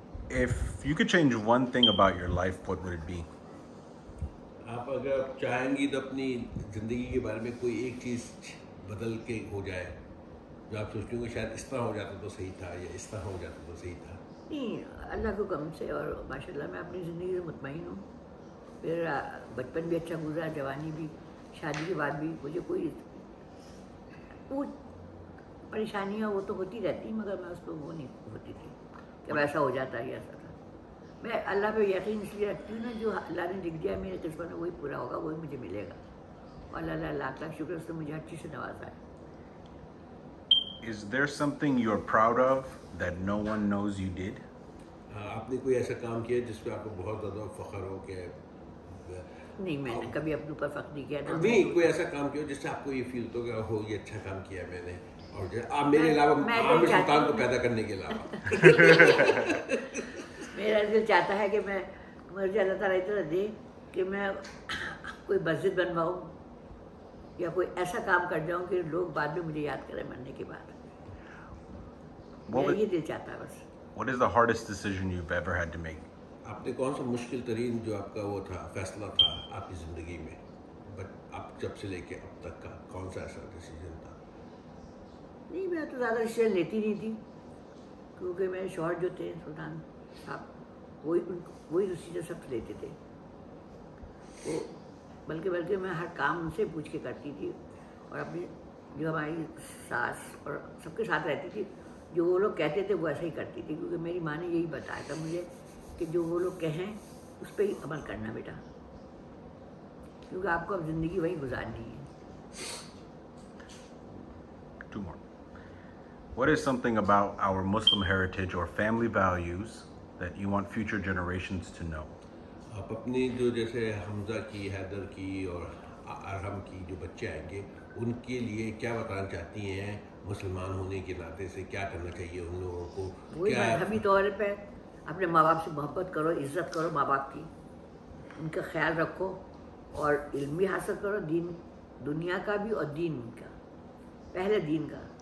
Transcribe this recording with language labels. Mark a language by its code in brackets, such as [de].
[en] If you could change one thing about your life, what would it be? [hi] आप अगर चाहेंगी तो अपनी जिंदगी के बारे में कोई एक चीज बदल के हो जाए जो आप सोचती होंगे शायद इस तरह हो जाता तो सही था या इस तरह हो जाता तो सही था? नहीं, अल्लाह को कम से और माशाल्लाह मैं अपनी जिंदगी से मुतमईन हूँ। मेरा बचपन भी अच्छा गुजरा, जवानी भी, शादी के बाद भी मुझे कोई वो परेशानियाँ वो तो होती रहती मगर मैं उसको वो नहीं होती थी कब ऐसा हो जाता है ऐसा था। मैं अल्लाह पे यकीन इसलिए रखती हूँ ना, जो अल्लाह ने लिख दिया मेरे किस्मत में वही पूरा होगा, वही मुझे मिलेगा, और अल्लाह लाख लाख शुक्र उसने मुझे अच्छी से नवाजा है। [en] Is there something you're proud of that no one knows you did? [hi] आपने कोई ऐसा काम किया जिस पे आपको बहुत ज़्यादा फ़ख्र हो के? नहीं, मैंने कभी अपने ऊपर फ़ख्र नहीं किया। नहीं, कोई ऐसा काम किया जिससे आपको ये फील तो गया हो ये अच्छा काम किया मैंने, और आप मेरे अलावा आमिर सुल्तान को पैदा करने के अलावा? मेरा दिल चाहता है कि मैं मुझे अल्लाह ताला इतना दे कि मैं कोई मस्जिद बनवाऊँ या कोई ऐसा काम कर जाऊँ कि लोग बाद में मुझे याद करें मरने के बाद। ये दिल चाहता है बस। [en] What is the hardest decision you've ever had to make? [hi] आपने कौन सा मुश्किल तरीन जो आपका वो था फैसला था आपकी जिंदगी में, बट आप जब से लेके अब तक का कौन सा ऐसा डिसीजन था? नहीं, मैं तो ज़्यादा डिसीजन लेती नहीं थी क्योंकि मेरे शौहर जो थे सुल्तान साहब वही डिसीजन सब लेते थे वो, बल्कि मैं हर काम उनसे पूछ के करती थी, और अपनी जो हमारी सास और सबके साथ रहती थी जो वो लोग कहते थे वो ऐसा ही करती थी, क्योंकि मेरी माँ ने यही बताया था मुझे कि जो वो लोग कहें उस पर ही अमल करना बेटा, क्योंकि आपको अब ज़िंदगी वही गुजारनी है। [en] Two more. What is something about our Muslim heritage or family values that you want future generations to know? [hi] आप अपनी जो जैसे हमजा की, हैदर की और अरहम की जो बच्चे आएंगे उनके लिए क्या बताना चाहती हैं, मुसलमान होने के नाते से क्या करना चाहिए उन लोगों को? मजहबी तौर पे अपने माँ बाप से मोहब्बत करो, इज्जत करो माँ बाप की, उनका ख्याल रखो, और इल्म भी हासिल करो, दीन दुनिया का भी और दीन का, पहले दीन का।